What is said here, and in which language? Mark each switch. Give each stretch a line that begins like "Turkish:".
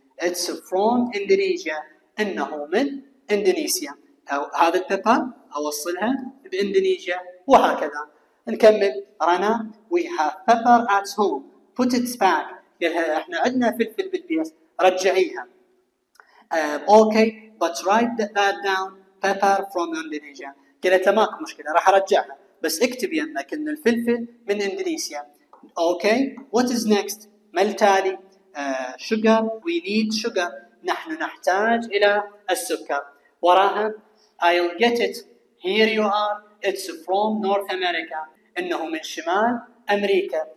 English: it's from Indonesia
Arabic: إنه من إندونيسيا. هذا pepper أوصلها بإندونيسيا. وهكذا نكمل.
English: رنا we have pepper at home put it back.
Arabic: قالها احنا عندنا فلفل بالبيت رجعيها.
English: okay but write that down pepper from Indonesia.
Arabic: قالت ماكو مشكله راح ارجعها بس اكتب يمك ان الفلفل من اندونيسيا.
English: okay what is next
Arabic: ما التالي؟
English: sugar we need sugar
Arabic: نحن نحتاج الى السكر.
English: وراها I'll get it here you are it's from North America
Arabic: إنه من شمال أمريكا.